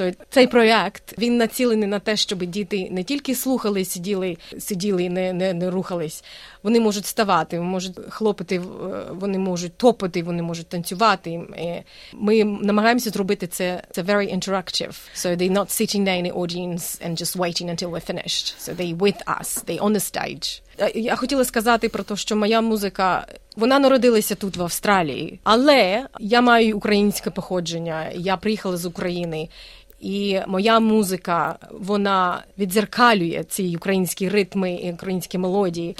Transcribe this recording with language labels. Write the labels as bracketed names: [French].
[Ukrainian] Цей проєкт, він націлений на те, щоб діти не тільки слухали, сиділи, не рухались. Вони можуть ставати, можуть хлопати, вони можуть топати, вони можуть танцювати. І ми намагаємося зробити це very interactive. [English] So they're not sitting there in the audience and just waiting until we're finished. So they're with us, they're on the stage. [Ukrainian] Я хотіла сказати про те, що моя музика, вона народилася тут, в Австралії, але я маю українське походження, я приїхала з України, і моя музика, вона відзеркалює ці українські ритми і українські мелодії.